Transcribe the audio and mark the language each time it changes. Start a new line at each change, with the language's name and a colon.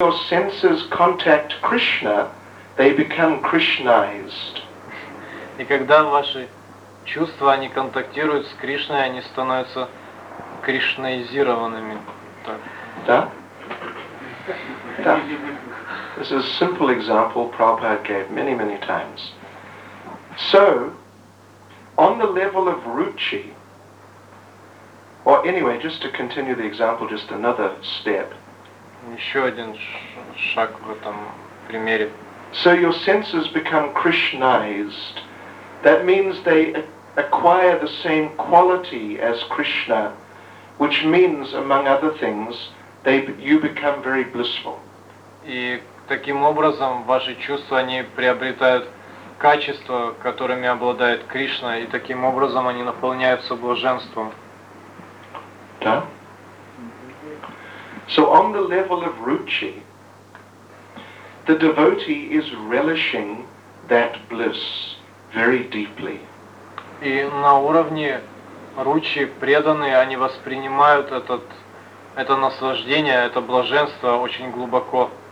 English: your senses contact Krishna, they become Krishnaized.
Russian: И когда ваши чувства они контактируют с Кришной, они становятся кришнаизированными. Да? Да.
English: This is a simple example Prabhupada gave many, many times. So, on the level of ruchi, or anyway, just to continue the example, just another step.
Russian: Еще один шаг в этом примере.
English: So your senses become Krishnaized. That means they acquire the same quality as Krishna, which means, among other things, you become very blissful.
Russian: И таким образом ваши чувства они приобретают качества, которыми обладает Кришна, и таким образом они наполняются блаженством. Да?
English: So on the level of ruchi, the devotee is relishing that bliss very deeply.
Russian: И на уровне ручи преданные, они воспринимают это наслаждение, это блаженство очень глубоко.